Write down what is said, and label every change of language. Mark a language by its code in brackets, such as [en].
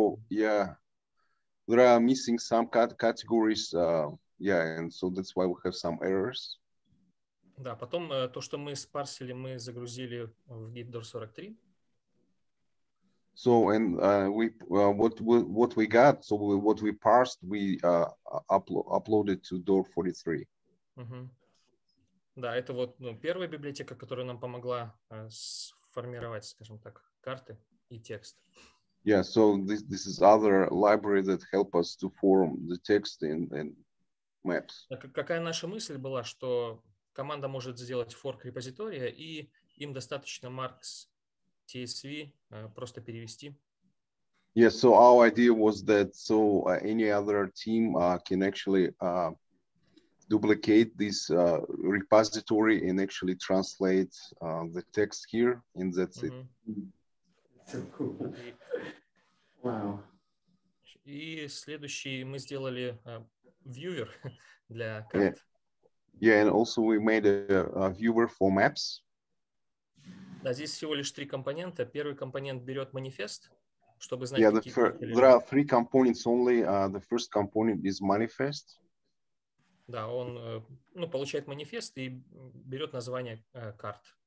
[en] There are missing some categories, and so that's why we have some errors. [ru] Да, потом то, что мы спарсили, мы загрузили в GitDoor 43. [en] So and what we parsed, we uploaded to Door 43. Uh-huh. [ru] Да, это вот ну, первая библиотека, которая нам помогла сформировать, скажем так, карты и текст. [en] Yeah, so this is other library that help us to form the text and maps. [ru] Какая наша мысль была, что команда может сделать fork репозитория и им достаточно marks TSV просто перевести. [en] Yes, so our idea was that so any other team can actually duplicate this repository and actually translate the text here, and that's mm-hmm. it. So cool. Wow. [ru] И следующий мы сделали viewer для карт. [en] Yeah, and also we made a viewer for maps. [ru] Да, здесь всего лишь три компонента. Первый компонент берет манифест, чтобы знать. [en] Yeah, there are three components only. The first component is manifest. [ru] Да, он ну получает манифест и берет название карт.